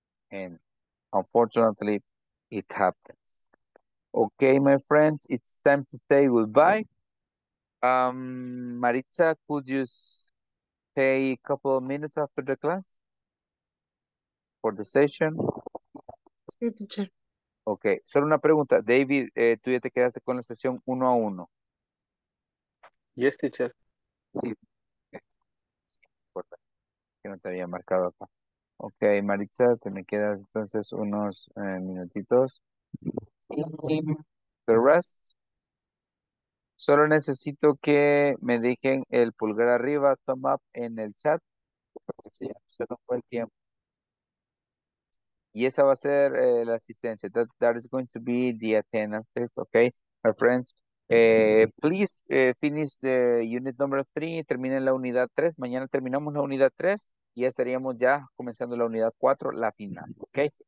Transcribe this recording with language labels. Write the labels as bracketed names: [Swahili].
[English] And unfortunately, it happens. Okay, my friends, it's time to say goodbye. Maritza, could you stay a couple of minutes after the class for the session? [Spanish] Sí, teacher. Okay, solo una pregunta. David, tú ya te quedaste con la sesión 1-1. [English] Yes, teacher. [Spanish] Sí. Okay. Sí, que no te había marcado acá. Okay, Maritza, te me quedas entonces unos minutitos. [English] The rest. [Spanish] Solo necesito que me dejen el pulgar arriba, thumb up, en el chat, porque si ya se nos fue el tiempo. Y esa va a ser la asistencia. [English] That is going to be the attendance test, okay, my friends. Please finish the unit number 3 [Spanish] y terminen la unidad 3. Mañana terminamos la unidad 3 y ya estaríamos ya comenzando la unidad 4, la final, okay.